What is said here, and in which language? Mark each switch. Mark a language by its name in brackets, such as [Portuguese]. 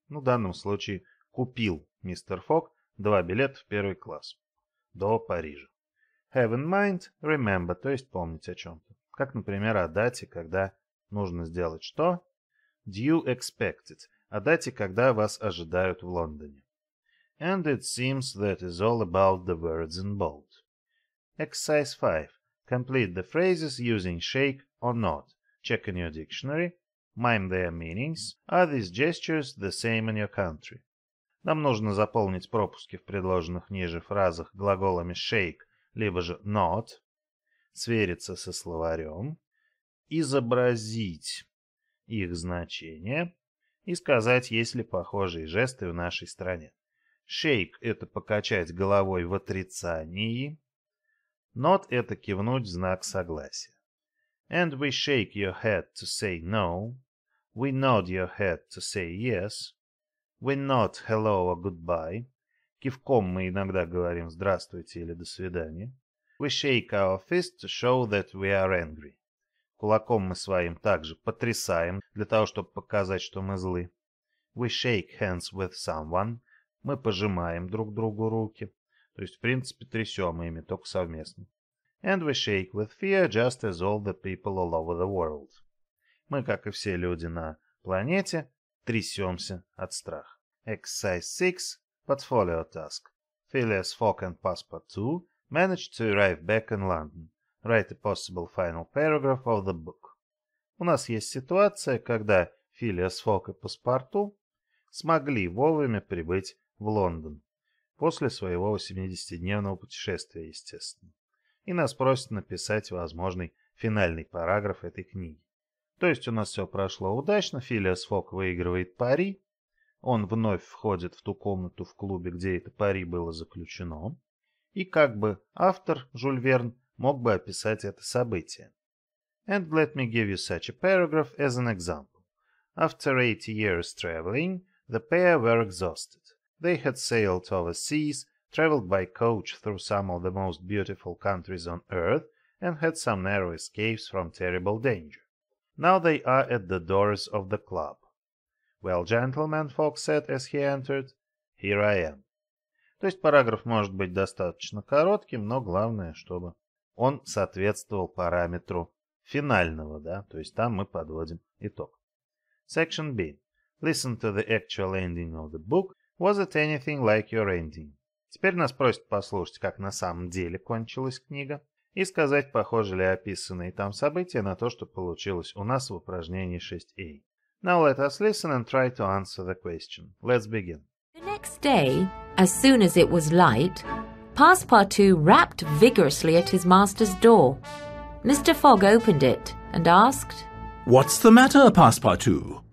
[Russian] Ну, в данном случае купил мистер Фок два билета в первый класс до Парижа. [English] Have in mind, remember, [Russian] то есть помнить о чем-то. Как, например, о дате, когда нужно сделать что? [English] Due expected. [Russian] О дате, когда вас ожидают в Лондоне. [English] And it seems that is all about the words in bold. Exercise 5. Complete the phrases using shake or not. Check in your dictionary. Mime their meanings. Are these gestures the same in your country? [Russian] Нам нужно заполнить пропуски в предложенных ниже фразах глаголами [English] shake, [Russian] либо же [English] not. [Russian] Свериться со словарем. Изобразить их значение. И сказать, есть ли похожие жесты в нашей стране. [English] Shake [Russian] – это покачать головой в отрицании. [English] Not [Russian] – это кивнуть в знак согласия. [English] And we shake your head to say no. We nod your head to say yes. We nod hello or goodbye. [Russian] Кивком мы иногда говорим «здравствуйте» или «до свидания». [English] We shake our fist to show that we are angry. [Russian] Кулаком мы своим также потрясаем, для того, чтобы показать, что мы злы. [English] We shake hands with someone. [Russian] Мы пожимаем друг другу руки. То есть, в принципе, трясем ими, только совместно. [English] And we shake with fear, just as all the people all over the world. [Russian] Мы, как и все люди на планете, трясемся от страха. [English] Exercise 6. Portfolio task. Phileas Fogg and Passport 2 managed to arrive back in London. Write a possible final paragraph of the book. [Russian] У нас есть ситуация, когда Филиас Фок и Паспорту смогли вовремя прибыть в Лондон после своего 80-дневного путешествия, естественно. И нас просят написать возможный финальный параграф этой книги. То есть у нас все прошло удачно, Филиас Фок выигрывает пари, Он вновь входит в ту комнату в клубе, где это пари было заключено. И как бы автор, Жюль Верн, мог бы описать это событие. [English] And let me give you such a paragraph as an example. After 80 years traveling, the pair were exhausted. They had sailed overseas, traveled by coach through some of the most beautiful countries on earth, and had some narrow escapes from terrible danger. Now they are at the doors of the club. Well, gentlemen, Fox said as he entered, here I am. [Russian] То есть параграф может быть достаточно коротким, но главное, чтобы он соответствовал параметру финального, да, то есть там мы подводим итог. [English] Section B. Listen to the actual ending of the book. Was it anything like your ending? [Russian] Теперь нас просят послушать, как на самом деле кончилась книга, и сказать, похожи ли описанные там события на то, что получилось у нас в упражнении 6a. [English] Now let us listen and try to answer the question. Let's begin. The next day, as soon as it was light, Passepartout rapped vigorously at his master's door. Mr. Fogg opened it and asked, What's the matter, Passepartout?